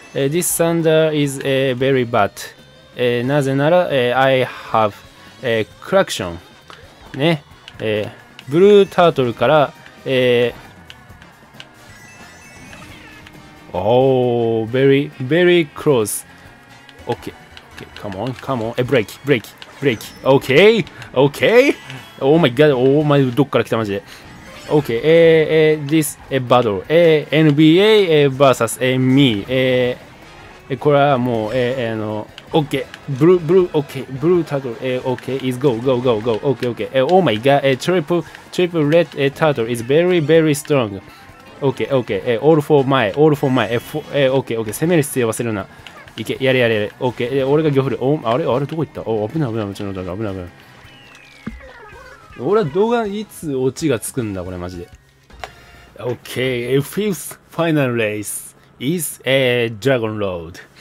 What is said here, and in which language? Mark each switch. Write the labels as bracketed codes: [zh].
[en] This thunder is very bad. [ja] なぜなら、 [en] I have a collection. ね、ブルータートルから、very, very close. OK. Come on, come on. Break. OK, OK. Oh my god, oh my, [ja] どっから来たマジで。 [en] OK, this battle. NBA vs. me. [ja] これはもう、 [en] OK, blue, OK, blue turtle, OK, is go, OK. Oh my god, triple red turtle is very, very strong. OK, all for my, OK, [ja] 攻める必要忘れるな。いけ、やれ、OK, 俺が魚振る。あれ、どこ行った？お、危ない、もちろん、危ない。俺は動画いつオチがつくんだ、これマジで。 [en] OK, fifth final race is a dragon road.